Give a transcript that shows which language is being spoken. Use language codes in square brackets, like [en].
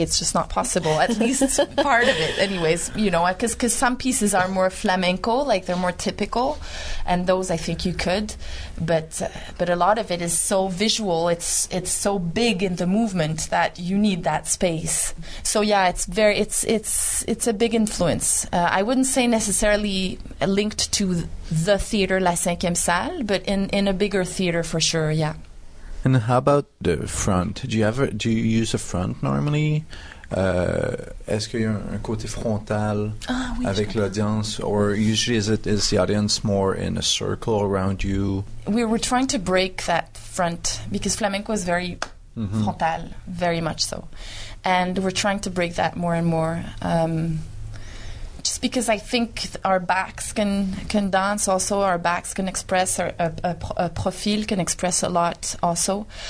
[en] It's just not possible, at least part of it anyways, you know, because some pieces are more flamenco, like they're more typical, and those I think you could, but a lot of it is so visual, it's so big in the movement that you need that space. So yeah, it's a big influence. I wouldn't say necessarily linked to the theater La Cinquième Salle, but in a bigger theater for sure, yeah. And how about the front? Do you use a front normally? [fr] Est-ce qu'il y a un côté frontal avec l'audience? [en] Or usually is the audience more in a circle around you? We were trying to break that front, because flamenco is very mm-hmm. frontal, very much so. And we're trying to break that more and more. Just because I think our backs can dance also, our backs can express, a profil can express a lot also.